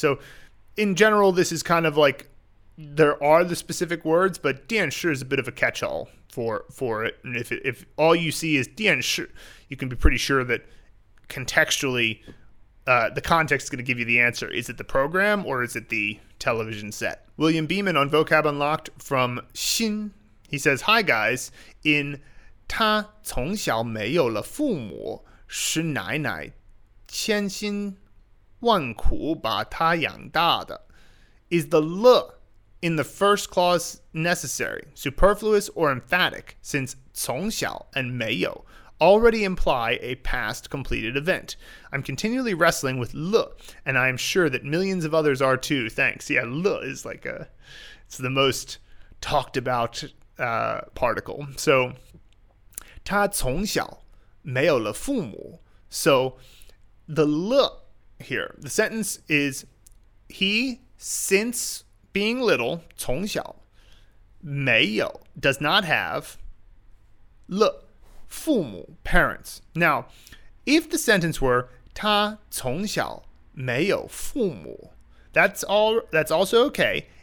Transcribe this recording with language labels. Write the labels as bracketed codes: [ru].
[en] So in general, this is kind of like, there are the specific words, but 电视 is a bit of a catch-all for it. And if all you see is 电视, you can be pretty sure that contextually, the context is going to give you the answer. Is it the program or is it the television set? William Beeman on Vocab Unlocked from Xin. He says, hi guys. [zh] In 他从小没有了父母，是奶奶千辛万苦把他养大的. [en] Is the le in the first clause necessary, superfluous, or emphatic, since 从小 and 没有 already imply a past completed event? I'm continually wrestling with le, and I am sure that millions of others are too. Thanks. Yeah, le is like it's the most talked about particle. [zh] So, 他从小没有了父母. [en] So, the le here, the sentence is, he, since being little, [zh] 从小没有, [en] does not have le, 父母, parents. Now, if the sentence were [zh] 他从小没有父母, [en] that's also okay.